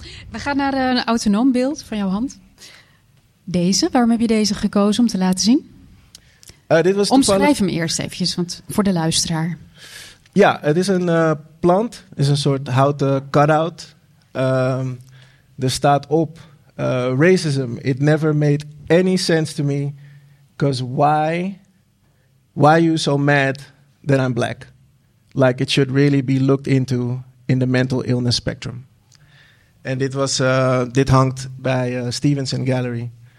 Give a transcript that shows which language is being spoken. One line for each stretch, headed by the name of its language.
Dutch: We gaan naar een autonoom beeld van jouw hand. Deze, waarom heb je deze gekozen om te laten zien? Dit was omschrijf hem eerst eventjes, want voor de luisteraar. Ja, het is een plant. Het is een soort houten cut-out. Er staat op...
English: racism, it never made any sense to me. Because why are you so mad that I'm black? Like it should really be looked into in the mental illness spectrum.
Dutch: En dit hangt bij Stevenson Gallery.